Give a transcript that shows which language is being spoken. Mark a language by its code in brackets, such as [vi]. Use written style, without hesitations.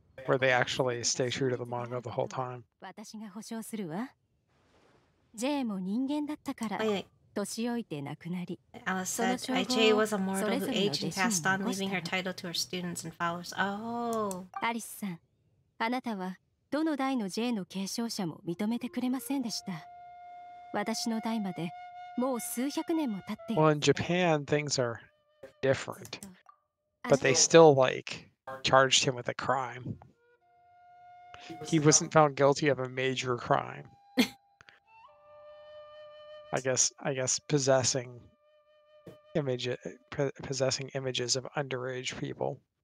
[en] Where they actually stay true to the manga the whole time. [ja] 私が保証するわ。J も人間だったから。 [en] Wait, wait. [ja] 年老いて亡くなり、その称号はそれぞれの弟子に残したの。 [en] IJ was a mortal agent passed on, leaving her title to her students and followers. Oh. [ja] アリスさん、あなたはどの代の J の継承者も認めてくれませんでした。私の代までもう数百年も経っている [en] 。 Well, in Japan, things are different. But they still, like, charged him with a crime. He wasn't found guilty of a major crime. I guess possessing images of underage people.